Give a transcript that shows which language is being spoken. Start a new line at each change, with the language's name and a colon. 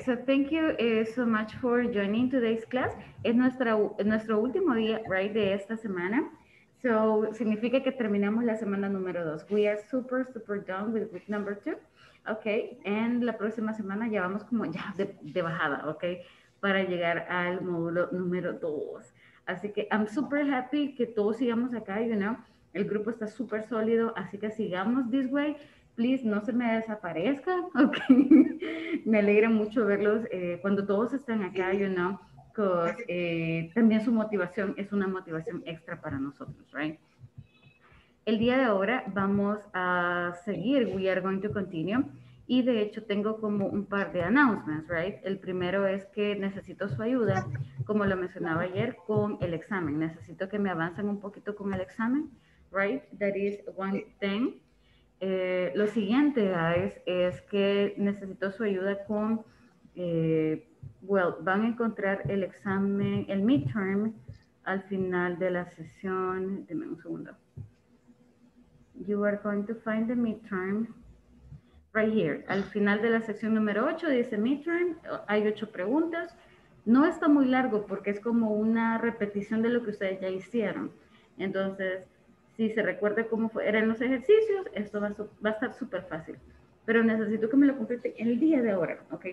English: So thank you so much for joining today's class.
Spanish: Es nuestro último día, right, de esta semana. So significa que terminamos la semana número 2.
English: We are super, super done with week number 2.
Spanish: Okay, and la próxima semana ya vamos como ya de bajada, okay, para llegar al módulo número 2. Así que
English: I'm super happy
Spanish: que todos sigamos acá,
English: you know.
Spanish: El grupo está súper sólido, así que sigamos
English: this way.
Spanish: Please, no se me desaparezca, ok. Me alegra mucho verlos cuando todos están acá,
English: you know, because
Spanish: también su motivación es una motivación extra para nosotros, right? El día de ahora vamos a seguir,
English: we are going to continue.
Spanish: Y de hecho tengo como un par de announcements, right? El primero es que necesito su ayuda, como lo mencionaba ayer, con el examen. Necesito que me avancen un poquito con el examen.
English: Right, that is one thing.
Spanish: Lo siguiente, guys, es que necesito su ayuda con, van a encontrar el examen, el midterm, al final de la sesión. Deme un segundo.
English: You are going to find the midterm right here.
Spanish: Al final de la sección número 8 dice midterm, hay 8 preguntas. No está muy largo porque es como una repetición de lo que ustedes ya hicieron. Entonces, si se recuerda cómo eran los ejercicios, esto va a estar súper fácil. Pero necesito que me lo complete el día de ahora, ¿ok?